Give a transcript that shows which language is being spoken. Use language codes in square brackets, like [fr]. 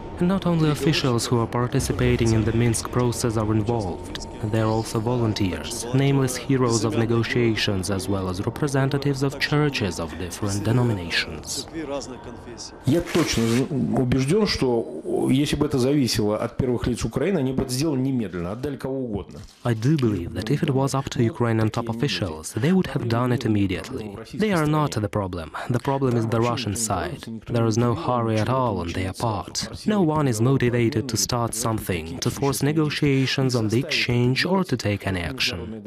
[en] And not only officials who are participating in the Minsk process are involved, there are also volunteers, nameless heroes of negotiations, as well as representatives of churches of different denominations. [ru] если бы это зависело от первых лиц Украины, они бы это сделали немедленно, отдали кого угодно. [en] I do believe that if it was up to Ukrainian top officials, they would have done it immediately. They are not the problem. The problem is the Russian side. There is no hurry at all on their part. No one is motivated to start something, to force negotiations on the exchange or to take any action.